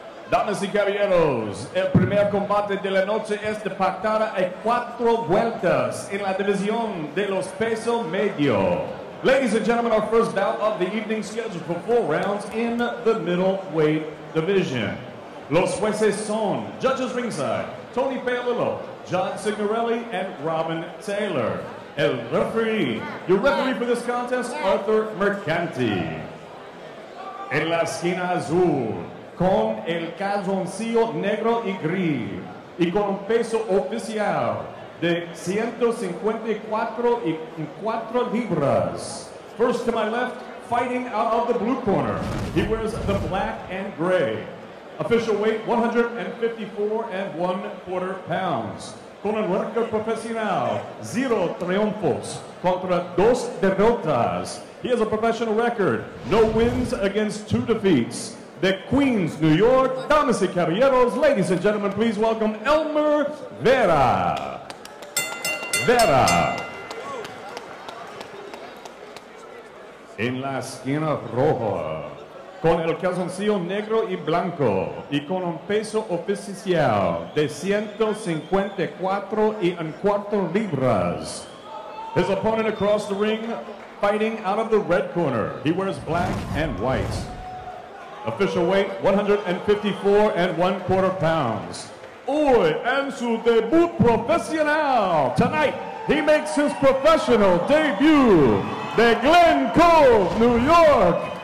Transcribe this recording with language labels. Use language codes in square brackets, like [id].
[es] Damas y caballeros, el primer combate de la noche es de pactada a cuatro vueltas en la división de los pesos medio. [en] Ladies and gentlemen, our first bout of the evening scheduled for four rounds in the middleweight division. [es] Los jueces son, [en] judges ringside, [es] Tony Palillo, John Signorelli, and Robin Taylor. [en] El referee, your referee for this contest, Arthur Mercanti. [es] En la esquina azul, con el calzoncillo negro y gris, y con un peso oficial de 154 y 4 libras. [en] First to my left, fighting out of the blue corner, he wears the black and gray. Official weight, 154 and 1 quarter pounds. [es] Con un record profesional, 0 triunfos contra 2 derrotas. [en] He has a professional record, no wins against 2 defeats. The Queens, New York, [es] Damas y Caballeros, [en] ladies and gentlemen, please welcome Elmer Vera. Vera. [es] En la esquina roja. Con el calzoncillo negro y blanco, y con un peso oficial de 154 y un cuarto libras. [en] His opponent across the ring, fighting out of the red corner. He wears black and white. Official weight, 154 and one quarter pounds. [es] Uy, en su debut profesional. [en] Tonight, he makes his professional debut. De Glen Cove, New York.